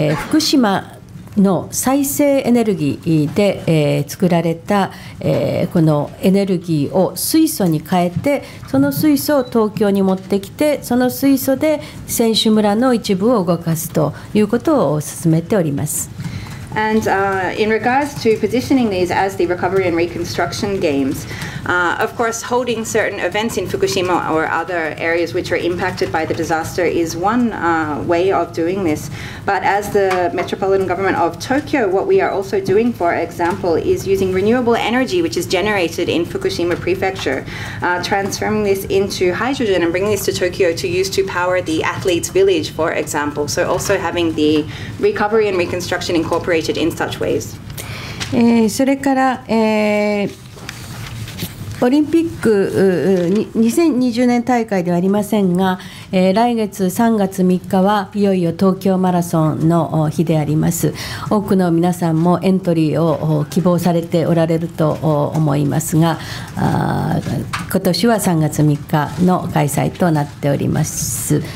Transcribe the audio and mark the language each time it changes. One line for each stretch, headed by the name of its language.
Japanese: 福島の再生エネルギーで作られたこのエネルギーを水素に変えて、その水素を東京に持ってきて、その水素で選手村の一部を動かすということを進めております。
English: And in regards to positioning these as the recovery and reconstruction games, of course, holding certain events in Fukushima or other areas which are impacted by the disaster is one way of doing this. But as the metropolitan government of Tokyo, what we are also doing, for example, is using renewable energy which is generated in Fukushima Prefecture, transforming this into hydrogen and bringing this to Tokyo to use to power the athletes' village, for example. So also having the recovery and reconstruction incorporated in such ways.
Japanese: それから、オリンピック2020年大会ではありませんが、来月3月3日はいよいよ東京マラソンの日であります。多くの皆さんもエントリーを希望されておられると思いますが、今年は3月3日の開催となっております。